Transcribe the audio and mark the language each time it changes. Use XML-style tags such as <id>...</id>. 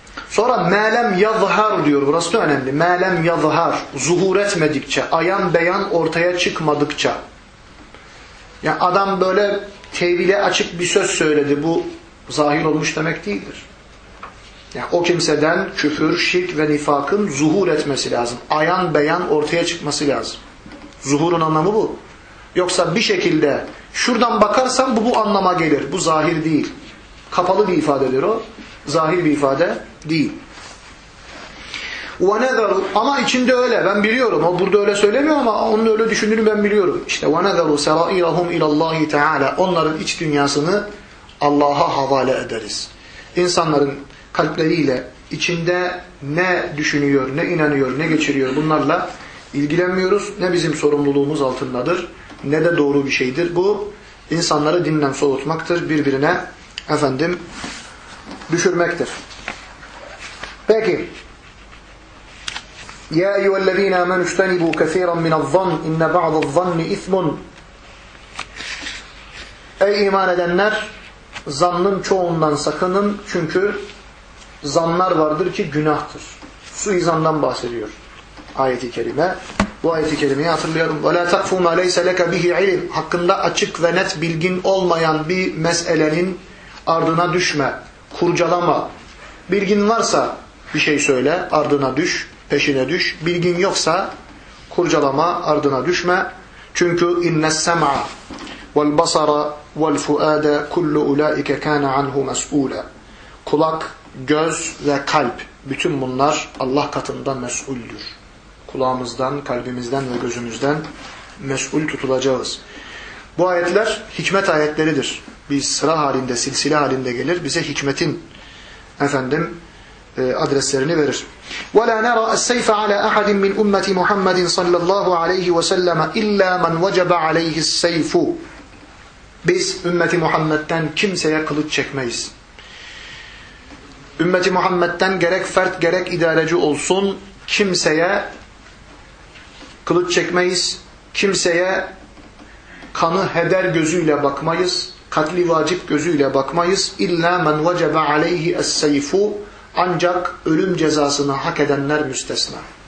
<ar>Sonra مَا لَمْ يَظْهَرْ</ar> <tr>diyor. Burası da önemli.</tr> <ar>مَا لَمْ يَظْهَرْ</ar> <tr>Zuhur etmedikçe, ayan beyan ortaya çıkmadıkça. Yani adam böyle tevhile açık bir söz söyledi. Bu zahir olmuş demek değildir. Yani o kimseden küfür, şirk ve nifakın zuhur etmesi lazım. Ayan beyan ortaya çıkması lazım. Zuhurun anlamı bu. Yoksa bir şekilde şuradan bakarsan bu anlama gelir. Bu zahir değil. Kapalı bir ifadedir o. Zahir bir ifade değil. وَنَذَرُوا Ama içinde öyle. Ben biliyorum. O burada öyle söylemiyor ama onun öyle düşündüğünü ben biliyorum. İşte</tr> <ar>وَنَذَرُوا سَرَائِرَهُمْ اِلَى اللّٰهِ تَعَالَى</ar> <tr>Onların iç dünyasını Allah'a havale ederiz. İnsanların kalpleriyle içinde ne düşünüyor, ne inanıyor, ne geçiriyor bunlarla ilgilenmiyoruz. Ne bizim sorumluluğumuz altındadır, ne de doğru bir şeydir. Bu insanları dinden soğutmaktır. Birbirine efendim düşürmektir. Peki.</tr> <ar>يَا اَيُّوَ الَّذ۪ينَ اَمَنُ اُشْتَنِبُوا كَثِيرًا مِنَ الظَّنِّ اِنَّ بَعْضَ الظَّنِّ اِثْمٌ</ar> <tr>Ey iman edenler, zannın çoğundan sakının, çünkü zanlar vardır ki günahtır. Suizandan bahsediyor ayet-i kerime. Bu ayet-i kerimeyi hatırlayalım.</tr> <ar>وَلَا تَقْفُ مَا لَيْسَ لَكَ بِهِ عِلِمْ</ar> <tr>Hakkında açık ve net bilgin olmayan bir meselenin ardına düşme, kurcalama. Bilgin varsa bir şey söyle, ardına düş, peşine düş. Bilgin yoksa kurcalama, ardına düşme. Çünkü</tr> <ar>اِنَّ السَّمْعَ وَالْبَصَرَ وَالْفُؤَادَ كُلُّ اُولَٰئِكَ كَانَ عَنْهُ مَسْئُولًا</ar> <tr>Kulak, göz ve kalp, bütün bunlar Allah katında mesuldür. Kulağımızdan, kalbimizden ve gözümüzden mesul tutulacağız. Bu ayetler hikmet ayetleridir. Bir sıra halinde, silsile halinde gelir. Bize hikmetin adreslerini verir.</tr> <ar>وَلَا نَرَا السَّيْفَ عَلَى أَحَدٍ مِّنْ اُمَّةِ مُحَمَّدٍ صَلَّى اللّٰهُ عَلَيْهِ وَسَلَّمَ اِلَّا مَنْ وَجَبَ عَلَيْهِ السَّيْفُ</ar> <tr>Biz ümmeti Muhammed'den kimseye kılıç çekmeyiz. Ümmeti Muhammed'den gerek fert gerek idareci olsun kimseye kılıç çekmeyiz. Kimseye kanı heder gözüyle bakmayız. Katli vacip gözüyle bakmayız.</tr> <ar>İlla men vecebe aleyhi es-seyfu</ar> <tr>ancak ölüm cezasını hak edenler müstesna.</tr>